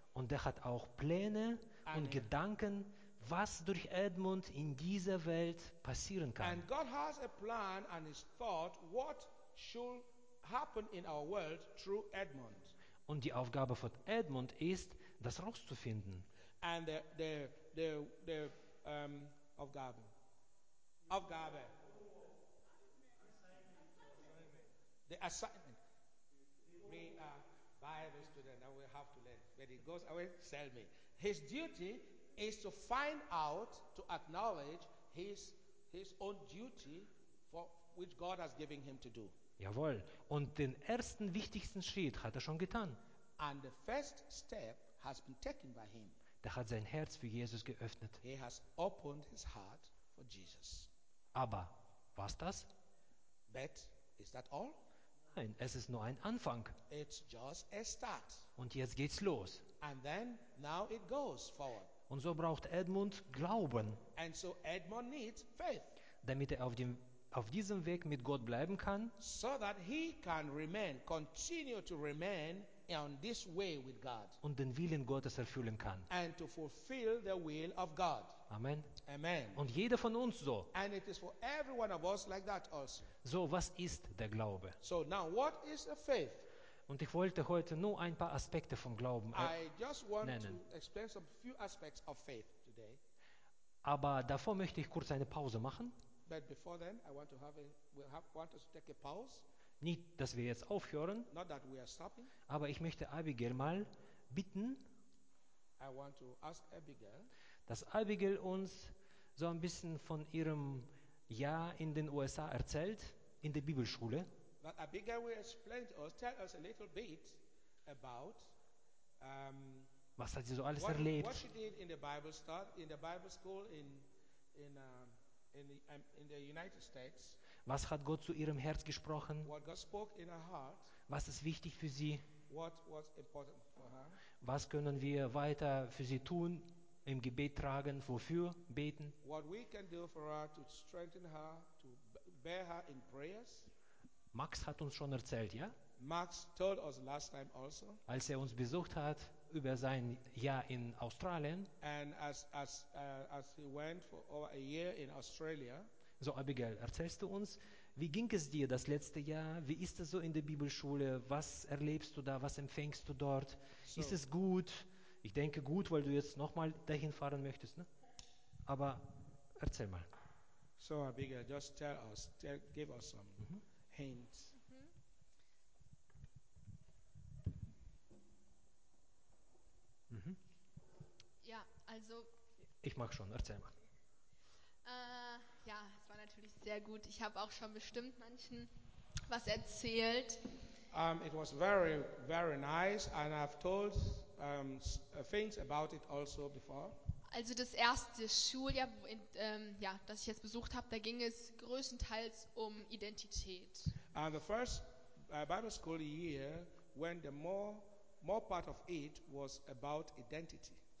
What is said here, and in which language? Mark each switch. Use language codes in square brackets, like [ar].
[de] Und er hat auch Pläne und Gedanken, was durch Edmund in dieser Welt passieren kann. [en] And God has a plan and his thought what should happen in our world through Edmund. [de] Und die Aufgabe von Edmund ist, das rauszufinden. [en] And the [de] Aufgabe. Aufgabe. [en] The assignment. We are Bible student and we have to learn. When it goes away, sell me. His duty is to find out, to acknowledge his own duty for which God has given him to do. [de] Jawohl. Und den ersten wichtigsten Schritt hat er schon getan. [en] And the first step has been taken by him. [de] Der hat sein Herz für Jesus geöffnet. [en] He has opened his heart for Jesus. [de] Aber was das? [en] But is that all? [de] Nein, es ist nur ein Anfang. [en] It's just a start. [de] Und jetzt geht's los. [en] And then now it goes forward. [de] Und so braucht Edmund Glauben, [en] and so Edmund needs faith, [de] damit er auf diesem Weg mit Gott bleiben kann, [en] so that he can remain, continue to remain on this way with God, [de] und den Willen Gottes erfüllen kann, [en] and to fulfill the will of God. [de] Amen. [en] Amen. [de] Und jeder von uns so. [en] And it is for every one of us like that also. [de] So, was ist der Glaube? [en] So now, what is a faith? [de] Und ich wollte heute nur ein paar Aspekte vom Glauben nennen. [en] To explain some few aspects of faith today. [de] Aber davor möchte ich kurz eine Pause machen. [en] But before then, I want to have want us to take a pause. [de] Nicht, dass wir jetzt aufhören. [en] Not that we are stopping. [de] Aber ich möchte Abigail mal bitten, [en] I want to ask Abigail, [de] dass Abigail uns so ein bisschen von ihrem Jahr in den USA erzählt, in der Bibelschule. [en] But Abigail will explain to us, tell us a little bit about [de] was hat sie so alles erlebt? [en] What she did in the Bible school in the United States. [de] Was hat Gott zu ihrem Herz gesprochen? [en] What God spoke in her heart. [de] Was ist wichtig für sie? [en] What was important for her? [de] Was können wir weiter für sie tun, im Gebet tragen, wofür beten? [en] What we can do for her to strengthen her, to bear her in prayers. [de] Max hat uns schon erzählt, ja? [en] Max told us last time also. [de] Als er uns besucht hat über sein Jahr in Australien. [en] And as he went for over a year in Australia. [de] So Abigail, erzählst du uns, wie ging es dir das letzte Jahr? Wie ist es so in der Bibelschule? Was erlebst du da? Was empfängst du dort? So, ist es gut? Ich denke gut, weil du jetzt nochmal dahin fahren möchtest, ne? Aber erzähl mal. [en] So Abigail, just tell us, give us some. Mm-hmm. [de] Mhm. Mhm. Ja, also ich mag schon, erzähl mal. Ja, es war natürlich sehr gut. Ich habe auch schon bestimmt manchen was erzählt. [en] It was very, very nice and I've told things about it also before. [de] Also das erste Schuljahr, das ich jetzt besucht habe, da ging es größtenteils um Identität. [en] And the first Bible school year, when the more part of it was about identity.